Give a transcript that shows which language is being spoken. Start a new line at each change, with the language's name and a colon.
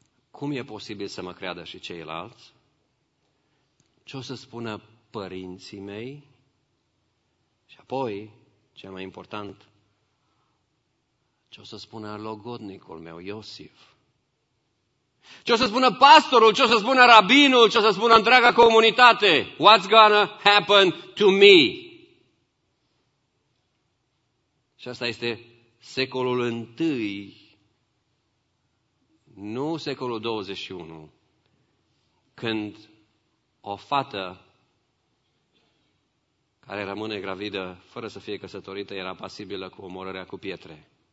Romanian: Cum e posibil să mă creadă și ceilalți? Ce o să spună părinții mei? Și apoi, cel mai important, ce o să spună logodnicul meu, Iosif? Ce o să spună pastorul, ce o să spună rabinul, ce o să spună întreaga comunitate?
English: What's gonna happen to me?
Romanian: Și asta este secolul I, nu secolul 21, când o fată care rămâne gravidă fără să fie căsătorită era pasibilă cu omorârea cu pietre.